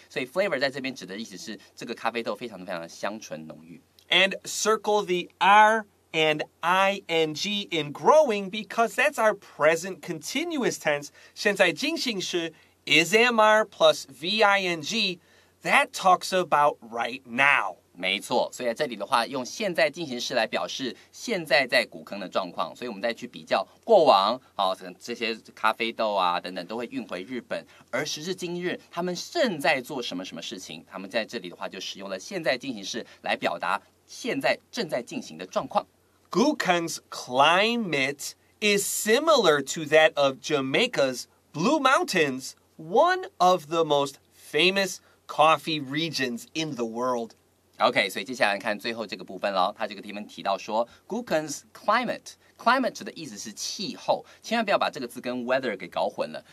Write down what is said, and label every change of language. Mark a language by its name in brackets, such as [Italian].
[Chinese] 所以 flavor 在这边指的意思是这个咖啡豆非常非常的香醇浓郁。 [English] And circle the R and ING in growing because that's our present continuous tense. [Chinese] 现在进行时 [English] is am are plus V-I-N-G. That talks about right now. [Chinese] 没错，所以在这里的话用现在进行时来表示现在在古坑的状况。所以我们再去比较过往、这些咖啡豆啊等等都会运回日本。而时至今日他们正在做什么什么事情，他们在这里的话就使用了现在进行时来表达现在正在进行的状况。 [English] Gukeng's climate is similar to that of Jamaica's Blue Mountains, one of the most famous coffee regions in the world. [Chinese] OK, 所以接下来看最后这个部分了。他这个地方提到说 [English] Gukeng's climate [Chinese] 指的意思是气候，千万不要把这个字跟 weather 给搞混了。